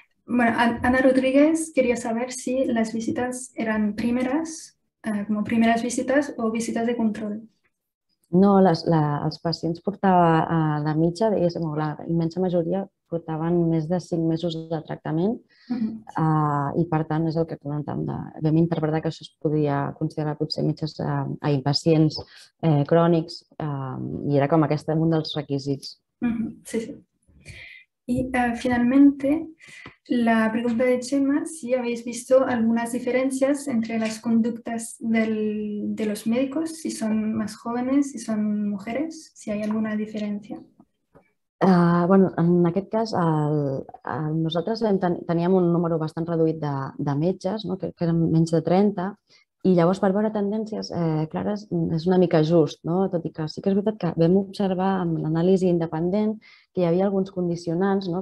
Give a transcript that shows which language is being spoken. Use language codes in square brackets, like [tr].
[es] Bueno, Ana Rodríguez quería saber si las visitas eran primeras, como primeras visitas o visitas de control. [ca] No, els pacients portaven de mitja, diguéssim, o la immensa majoria portaven més de 5 mesos de tractament. I per tant és el que comentàvem. Vam interpretar que això es podia considerar potser mitges a pacients crònics i era com aquest un dels requisits. Sí, sí. [es] Y finalmente, la pregunta de Chema, si habéis visto algunas diferencias entre las conductas de los médicos, si son más jóvenes, si son mujeres, si hay alguna diferencia. [ca] Bueno, en aquest cas, nosaltres teníem un número bastant reduït de metges, no? que eren menys de 30, i llavors per veure tendències clares és una mica just, no? Tot i que sí que és veritat que vam observar amb l'anàlisi independent que hi havia alguns condicionants, no?